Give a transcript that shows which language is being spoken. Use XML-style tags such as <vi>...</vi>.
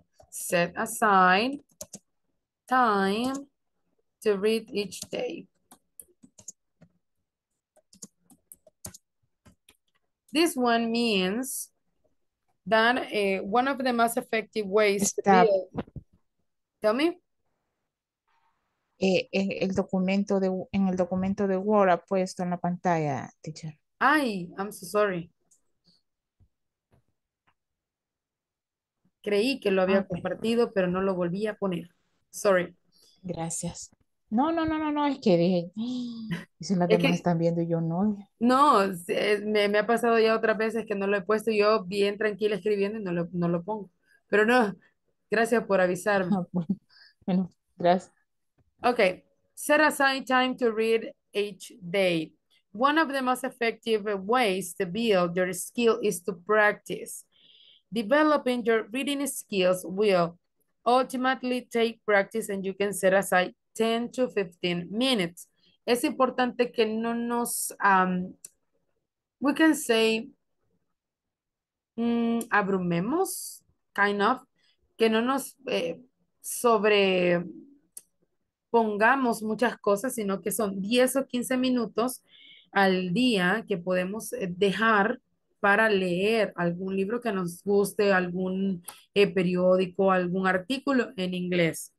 <en>Set aside time to read each day. This one means that one of the most effective ways to tell me.</en> <es>El documento de, en el documento de Word ha puesto en la pantalla, teacher.</es> <en>Ay, I'm so sorry.</en> <es>Creí que lo había compartido, pero no lo volví a poner.</es> <en>Sorry.</en> <es>Gracias. No, es que dije, y si la demás están viendo, yo no. No, me ha pasado ya otras veces que no lo he puesto, yo bien tranquila escribiendo y no lo pongo. Pero no, gracias por avisarme. Bueno, gracias.</es> <en>Okay, set aside time to read each day. One of the most effective ways to build your skill is to practice. Developing your reading skills will ultimately take practice and you can set aside 10 to 15 minutes.</en> <es>Es importante que no nos,</es> <en>we can say,</en> <es>abrumemos,</es> <en>kind of,</en> <es>que no nos sobrepongamos muchas cosas, sino que son 10 o 15 minutos al día que podemos dejar para leer algún libro que nos guste, algún periódico, algún artículo en inglés.</es>